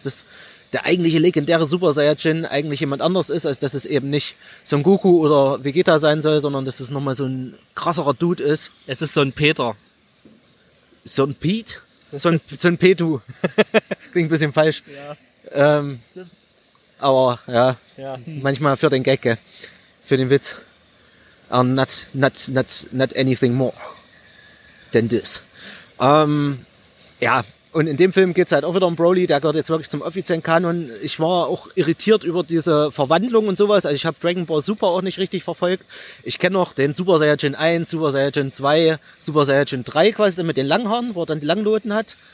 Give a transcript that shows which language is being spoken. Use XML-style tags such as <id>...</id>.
<de>Das der eigentliche legendäre Super Saiyajin eigentlich jemand anders ist, als dass es eben nicht Son Goku oder Vegeta sein soll, sondern dass es nochmal so ein krasserer Dude ist. Es ist Son Peter. Son Pete? Son Petu. Klingt ein bisschen falsch. Ja. Aber ja, manchmal für den Gag, gell? Für den Witz.</de> <en>Not anything more than this.</en> <de>Und in dem Film geht es halt auch wieder um Broly, der gehört jetzt wirklich zum offiziellen Kanon. Ich war auch irritiert über diese Verwandlung und sowas. Also ich habe Dragon Ball Super auch nicht richtig verfolgt. Ich kenne noch den Super Saiyajin 1, Super Saiyajin 2, Super Saiyajin 3 quasi, mit den Langhaaren, wo er dann die Langloten hat.</de>